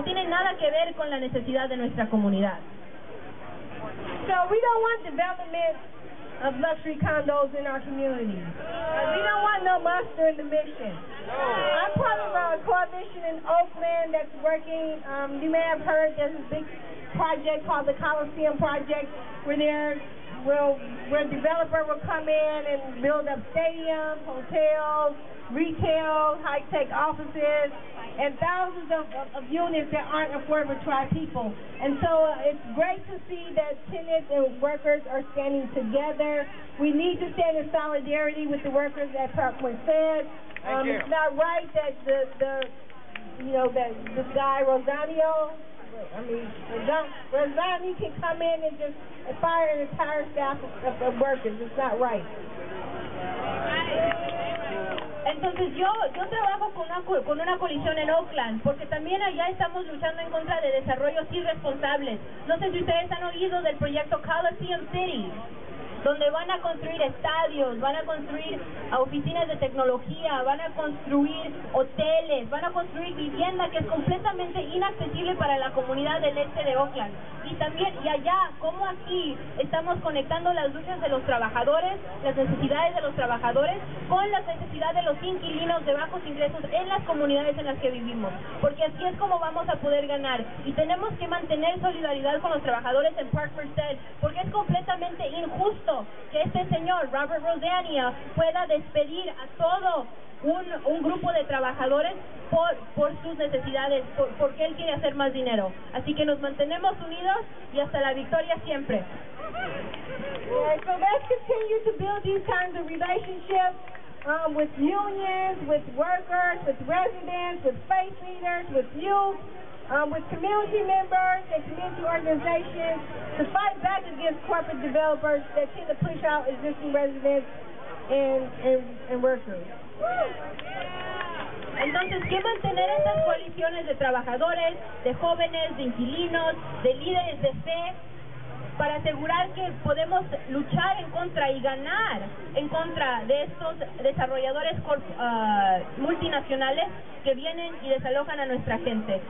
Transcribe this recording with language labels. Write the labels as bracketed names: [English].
[Spanish] No tiene nada que ver con la necesidad de nuestra comunidad. [English] So we don't want development of luxury condos in our community. We don't want no monster in the mission. I'm part of a coalition in Oakland that's working. You may have heard there's a big project called the Coliseum Project where a developer will come in and build up stadiums, hotels, retail, high-tech offices, and thousands of units that aren't affordable to our people. And so it's great to see that tenants and workers are standing together. We need to stand in solidarity with the workers at Park Merced. It's not right that this guy Rosani can come in and just fire an entire staff of workers. It's not right. [Spanish] Entonces yo trabajo con una coalición en Oakland, porque también allá estamos luchando en contra de desarrollos irresponsables. No sé si ustedes han oído del proyecto Coliseum City, donde van a construir estadios, van a construir oficinas de tecnología, van a construir hoteles, van a construir vivienda que es completamente inaccesible para la comunidad del este de Oakland. y también y allá, como aquí, estamos conectando las luchas de los trabajadores, las necesidades de los trabajadores, con las necesidades de los inquilinos de bajos ingresos en las comunidades en las que vivimos. Porque así es como vamos a poder ganar. Y tenemos que mantener solidaridad con los trabajadores en Park Merced, porque es completamente injusto que este señor, Robert Rosania, pueda despedir a todo un grupo de trabajadores por sus necesidades, porque él quiere hacer más dinero. Así que nos mantenemos unidos y hasta la victoria siempre. [English] So let's continue to build these kinds of relationships with unions, with workers, with residents, with faith leaders, with youth, with community members and community organizations to fight back against corporate developers that tend to push out existing residents and workers. [Spanish] Entonces, ¿qué mantener estas coaliciones de trabajadores, de jóvenes, de inquilinos, de líderes de fe, para asegurar que podemos luchar en contra y ganar en contra de estos desarrolladores multinacionales que vienen y desalojan a nuestra gente?